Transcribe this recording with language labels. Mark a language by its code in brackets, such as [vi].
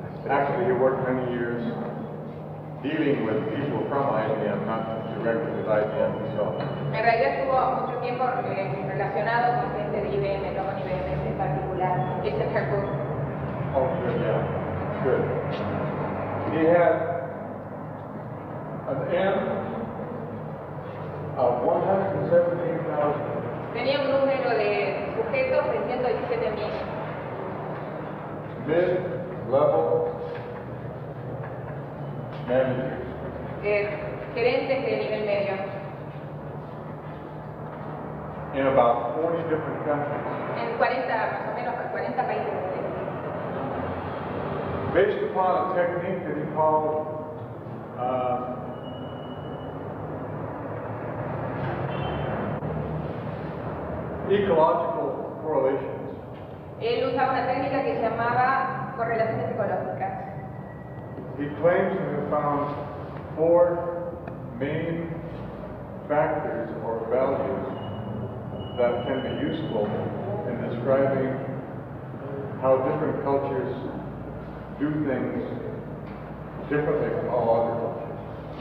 [en] Actually, he worked many years dealing with people from IBM, not directly with IBM himself. [es] En realidad estuvo mucho tiempo relacionado con gente de IBM, no con IBM en particular. [en] It's a purple. Oh, good, yeah. Good. He had an M of 178,000. [es] Tenía un número de sujetos de 117,000. [en] Mid-level managers. [es] Gerentes de nivel medio. [en] In about 40 different countries. [es] En 40, más o menos, 40 países. [en] Based upon a technique that he called ecological correlations. [es] Él usaba una técnica que llamaba correlaciones ecológicas. [en] He claims to have found four main factors or values that can be useful in describing how different cultures do things differently from all other cultures.